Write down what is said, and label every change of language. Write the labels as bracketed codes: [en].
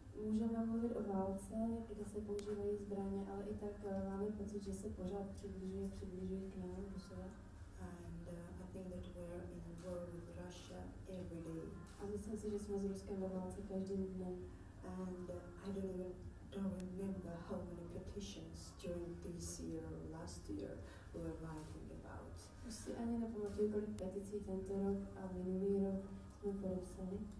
[cs] Můžeme mluvit o válce, kde se používají zbraně, ale i tak máme pocit, že se pořád přibližují k nám, Rusové. [en] And I think that we're in war with Russia every day. [cs] A myslím si, že jsme s Ruskem ve válce každý den. [en] And I don't remember how many petitions during this year or last year we were writing about. [cs] Už si ani nepamatuju, kolik peticí tento rok a minulý rok jsme podepsali.